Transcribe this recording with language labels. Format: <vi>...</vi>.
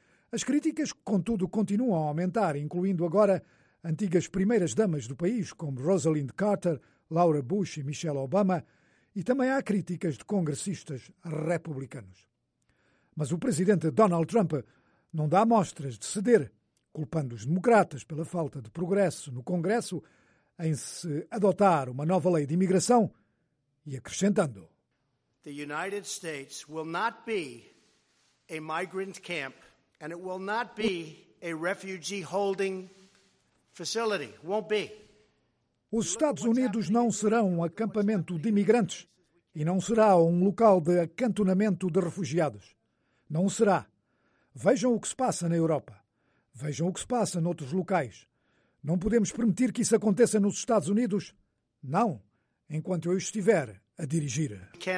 <pt>As críticas, contudo, continuam a aumentar, incluindo agora antigas primeiras damas do país, como Rosalind Carter, Laura Bush e Michelle Obama, e também há críticas de congressistas republicanos. Mas o presidente Donald Trump não dá mostras de ceder, culpando os democratas pela falta de progresso no Congresso em se adotar uma nova lei de imigração e acrescentando:</pt> <en>The United States will not be a migrant camp and it will not be a refugee holding facility. Won't be.</en> <pt>Os Estados Unidos não serão um acampamento de imigrantes e não será um local de acantonamento de refugiados. Não será. Vejam o que se passa na Europa. Vejam o que se passa noutros locais. Não podemos permitir que isso aconteça nos Estados Unidos. Não, enquanto eu estiver a dirigir.</pt>